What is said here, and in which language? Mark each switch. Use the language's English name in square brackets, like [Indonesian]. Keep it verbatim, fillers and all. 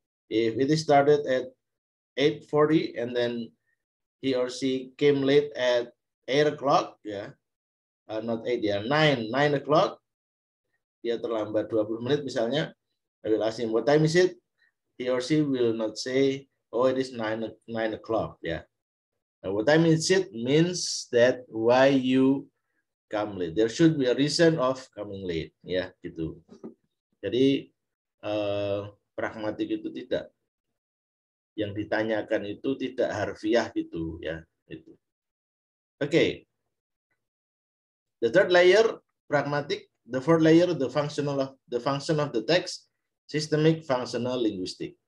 [English] If it is started at eight forty and then he or she came late at eight o'clock, yeah. Uh, not eight ya, nine, nine o'clock. [Indonesian] Dia terlambat dua puluh menit misalnya. [English] I will ask him, what time is it? He or she will not say, oh, it is nine, nine o'clock. Yeah. Uh, what time is it means that why you come late. There should be a reason of coming late. Ya, yeah, gitu. [Indonesian] Jadi, uh, pragmatik itu tidak. Yang ditanyakan itu tidak harfiah gitu. Ya, itu. [English] Oke. Okay. The third layer, pragmatic. The fourth layer, the functional of the function of the text, systemic, functional, linguistic.